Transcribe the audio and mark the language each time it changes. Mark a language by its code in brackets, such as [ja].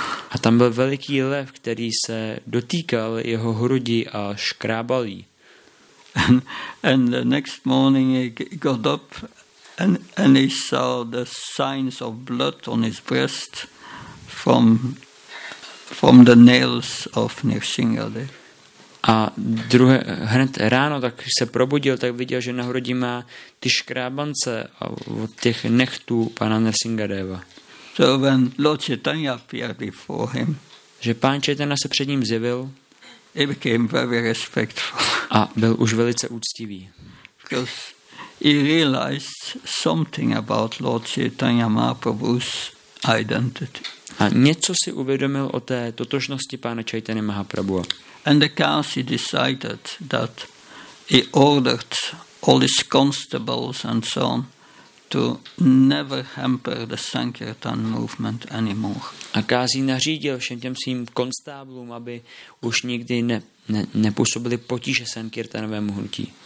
[cs] A tam byl veliký lev, který se dotýkal jeho hrudi a škrábal jí. [en] And the next morning he got up and he saw the signs of blood on his breast from the nails of Nrsingadev. [cs] A druhé, hned ráno, tak se probudil, tak viděl, že na hrudi má ty škrábance od těch nechtů pana Nrsingadeva. [en] So when Lord Chaitanya appeared before him, [cs] že pán Chaitanya se před ním zjevil, [en] he became very respectful. [cs] A byl už velice úctivý. [en] Because he realized something about Lord Chaitanya Mahaprabhu's identity. [cs] A něco si uvědomil o té totožnosti pána Chaitanya Mahaprabhu. [en] And the Kasi decided that he ordered all his constables and so on to never hamper the Sankirtan movement anymore. [cs] A Kazi nařídil všem těm svým konstáblům, aby už nikdy nepůsobili potíže Sankirtanovému hnutí.